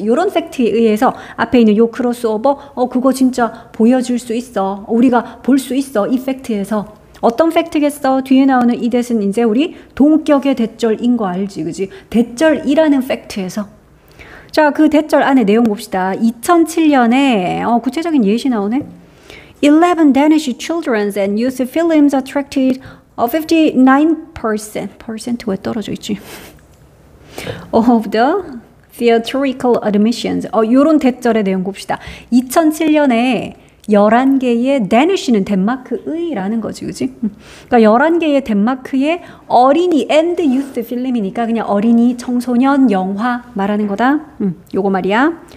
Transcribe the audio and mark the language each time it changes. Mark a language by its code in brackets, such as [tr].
[ko] 이런 팩트에 의해서 앞에 있는 이 크로스오버, 그거 진짜 보여줄 수 있어. 우리가 볼 수 있어, 이 팩트에서. 어떤 팩트겠어? 뒤에 나오는 이 대신 이제 우리 동격의 대절인 거 알지, 그지? 대절이라는 팩트에서. 자, 그 대절 안에 내용 봅시다. 2007년에 구체적인 예시 나오네. [en] 11 Danish children's and youth films attracted 59% [ko] 퍼센트 왜 떨어져 있지? [en] Of the theatrical admissions. [ko] 이런 대절의 내용 봅시다. 2007년에 11개의 Danish는 덴마크의라는 거지, 그지? 그러니까 11개의 덴마크의 어린이 [en] and youth film [ko] 이니까 그냥 어린이 청소년 영화 말하는 거다. 요거 말이야.